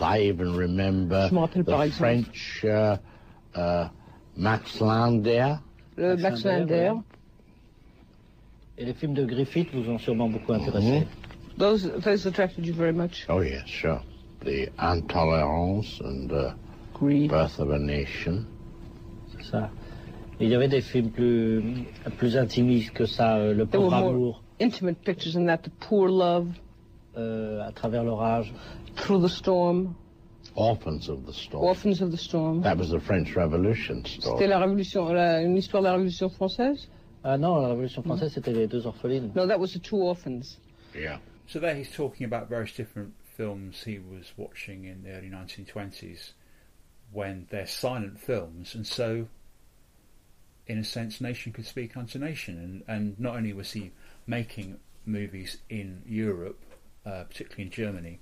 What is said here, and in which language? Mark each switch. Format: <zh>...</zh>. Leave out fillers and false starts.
<en>I even remember the French Max Lander.</en> <fr>Le Max Lander. Et les films de Griffith vous ont sûrement beaucoup intéressé. Mm-hmm.</fr> <en>Those attracted you very much. Oh yes, sure. The Intolerance and the Greed. Birth of a Nation.</en> <fr>C'est ça. Il y avait des films plus intimistes que ça, Le Pauvre</fr> <en>There were</en> <fr>Amour.</fr> <en>More intimate pictures than that, The Poor Love.</en> <fr>À travers l'orage.</fr> <en>Through the Storm. Orphans of the Storm. Orphans of the Storm. That was the French Revolution story.</en> <fr>C'était la Révolution, une histoire de la Révolution française? Non, la Révolution française, mm-hmm. c'était les deux orphelines.</fr> <en>No, that was the two orphans. Yeah. So there he's talking about various different films he was watching in the early 1920s when they're silent films, and so, in a sense, nation could speak unto nation. And not only was he making movies in Europe, particularly in Germany.</en>